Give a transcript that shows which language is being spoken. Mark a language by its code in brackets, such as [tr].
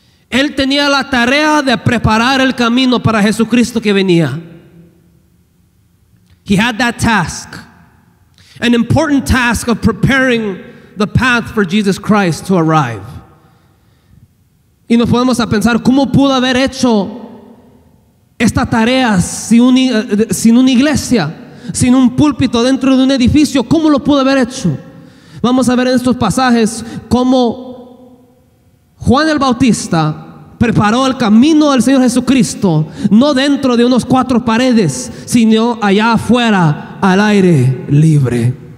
[es] Él tenía la tarea de preparar el camino para Jesucristo que venía. [en] He had that task, an important task of preparing the path for Jesus Christ to arrive. [es] Y nos podemos a pensar, ¿cómo pudo haber hecho esta tarea sin una iglesia, sin un púlpito dentro de un edificio? ¿Cómo lo pudo haber hecho? Vamos a ver en estos pasajes cómo Juan el Bautista preparó el camino al Señor Jesucristo, no dentro de unos cuatro paredes, sino allá afuera, al aire libre.